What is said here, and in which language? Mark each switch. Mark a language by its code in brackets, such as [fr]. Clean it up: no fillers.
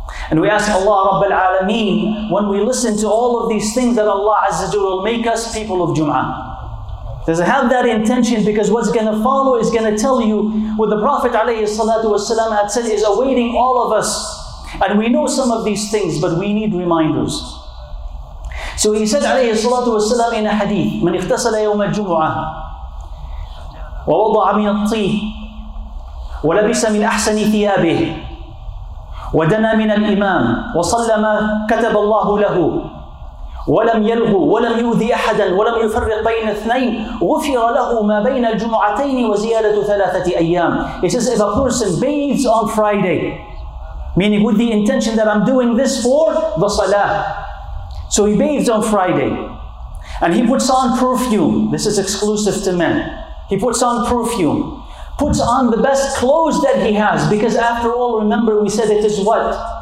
[en] And we ask Allah Rabbil Alameen, when we listen to all of these things, that Allah Azza wa Jalla will make us people of Jum'ah. Does it have that intention? Because what's going to follow is going to tell you what the Prophet alayhi salatu wasalam had said is awaiting all of us. And we know some of these things, but we need reminders. So he said alayhi salatu wasalam in a hadith, [ar] من اختصل يوم الجمعة ووضع من الطيب ولبس من أحسن ثيابه ودنا من الإمام وصلى ما كتب الله له ولم يلغو ولم يؤذي أحدا ولم يفرق بين اثنين غفر له ما بين الجمعتين وزيادة ثلاثة أيام. [en] He says if a person bathes on Friday, meaning with the intention that I'm doing this for the Salah, so he bathes on Friday and he puts on perfume. This is exclusive to men. He puts on perfume, puts on the best clothes that he has, because after all, remember we said it is what?